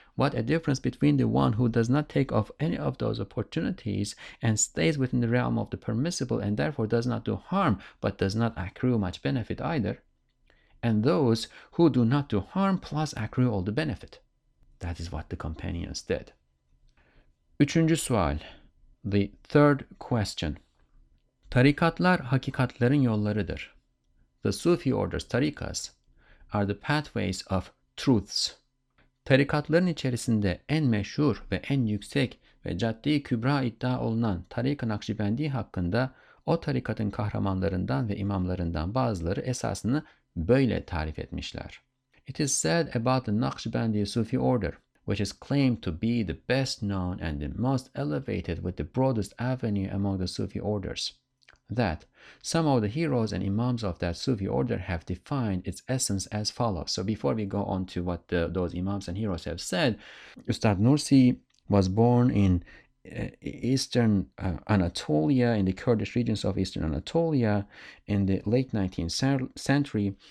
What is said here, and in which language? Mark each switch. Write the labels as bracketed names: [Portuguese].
[English] What a difference between the one who does not take off any of those opportunities and stays within the realm of the permissible and therefore does not do harm, but does not accrue much benefit either. And those who do not do harm plus accrue all the benefit. That is what the companions did. [Turkish] Üçüncü sual. [English] The third question. [Turkish] Tarikatlar hakikatlerin yollarıdır. [English] The Sufi orders, tarikas, are the pathways of truths. [Turkish] Tarikatların içerisinde en meşhur ve en yüksek ve Cadde-i Kübra iddia olunan Tarik-ı Nakşibendi hakkında o tarikatın kahramanlarından ve imamlarından bazıları esasını böyle tarif etmişler. [English] It is said about the Naqshbandi Sufi order, which is claimed to be the best known and the most elevated with the broadest avenue among the Sufi orders, that some of the heroes and imams of that Sufi order have defined its essence as follows. So before we go on to what those imams and heroes have said, Ustad Nursi was born in Eastern Anatolia, in the Kurdish regions of Eastern Anatolia, in the late 19th century.